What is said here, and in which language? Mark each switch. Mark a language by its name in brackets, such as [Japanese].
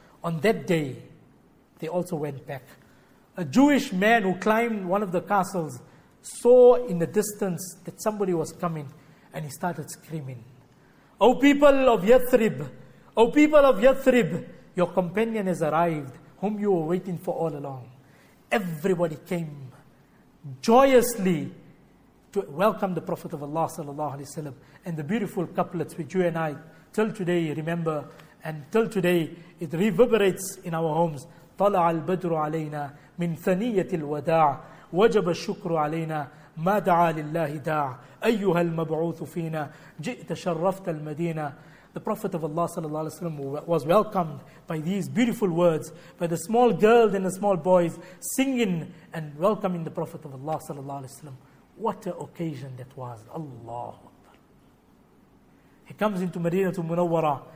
[English] On that day, they also went back. A Jewish man who climbed one of the castles saw in the distance that somebody was coming, and he started screaming, "Oh people of Yathrib, oh people of Yathrib, your companion has arrived, whom you were waiting for all along." Everybody came joyously to welcome the Prophet of Allah sallallahu alaihi wasallam, and the beautiful couplets which you and I till today remember, and till today it reverberates in our homes. [Arabic] طلع البدر علينا من ثنية الوداع وجب الشكر علينا ما دعا لله داع أيها المبعوث فينا جئت شرفت المدينة. [English] The Prophet of Allah sallallahu alaihi wasallam was welcomed by these beautiful words, by the small girls and the small boys singing and welcoming the Prophet of Allah sallallahu alaihi wasallam. What an occasion that was. Allahu Akbar. He comes into Medina to Munawwara.